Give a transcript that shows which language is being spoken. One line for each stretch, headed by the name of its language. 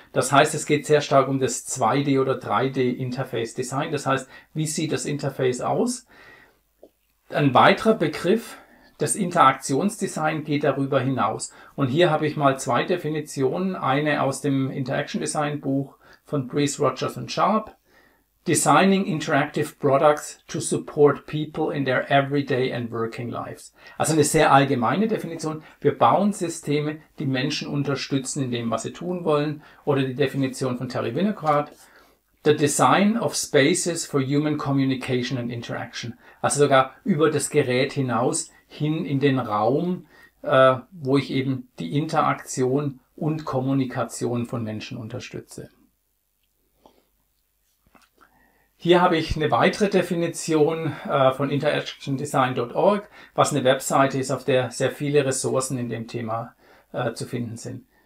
German: Das heißt, es geht sehr stark um das 2D oder 3D Interface Design. Das heißt, wie sieht das Interface aus? Ein weiterer Begriff, das Interaktionsdesign geht darüber hinaus. Und hier habe ich mal zwei Definitionen. Eine aus dem Interaction Design Buch von Breeze, Rogers und Sharp.
English: Designing interactive products to support people in their everyday and working lives.
German: Also eine sehr allgemeine Definition. Wir bauen Systeme, die Menschen unterstützen in dem, was sie tun wollen. Oder die Definition von Terry Winograd.
English: The design of spaces for human communication and interaction.
German: Also sogar über das Gerät hinaus hin in den Raum, wo ich eben die Interaktion und Kommunikation von Menschen unterstütze. Hier habe ich eine weitere Definition von interactiondesign.org, was eine Webseite ist, auf der sehr viele Ressourcen in dem Thema zu finden sind.